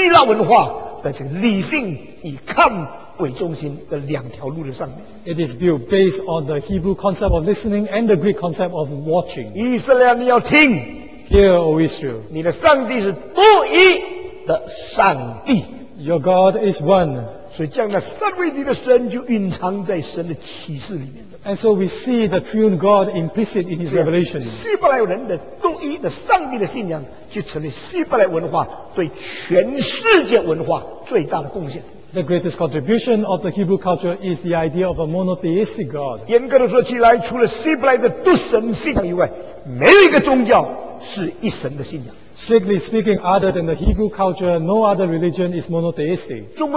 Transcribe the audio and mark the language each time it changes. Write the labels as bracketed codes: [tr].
[zh] 建立在希伯来的信仰以听为中心跟希腊文化的理性以看 [en] It is built based on the Hebrew concept of listening and the Greek concept of watching. [zh] 以色列你要听, [en] Hear, O Israel. [zh] 你的上帝是独一的上帝, [en] Your God is one. [zh] 所以这样的三位一体的神就隐藏在神的启示里面。 [en] And so we see the triune God implicit in His revelation. [zh] 希伯来人的独一的上帝的信仰就成了希伯来文化对全世界文化最大的贡献。 [en] The greatest contribution of the Hebrew culture is the idea of a monotheistic God. [zh] 严格地说起来,除了希伯来的独神信仰以外,没有一个宗教是一神的信仰。 [en] Strictly speaking, other than the Hebrew culture, no other religion is monotheistic.